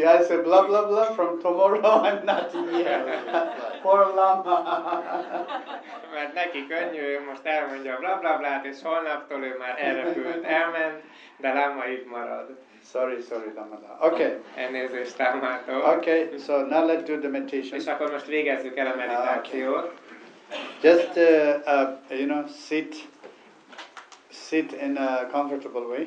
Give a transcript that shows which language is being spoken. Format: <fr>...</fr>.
<en>I say blah blah blah, from tomorrow I'm not here. Poor Lama.</en> <hu>Mert neki könnyű, most elmondja blah blah blah, és holnaptól ő már elrepült, elment, de Lama itt marad.</hu> <en>Sorry, Lama. Okay.</en> <hu>Elnézést Lamától.</hu> <en>Okay, so now let's do the meditation.</en> <hu>És akkor most végezzük el a meditációt.</hu> <en>Okay. Just, you know, sit in a comfortable way.</en>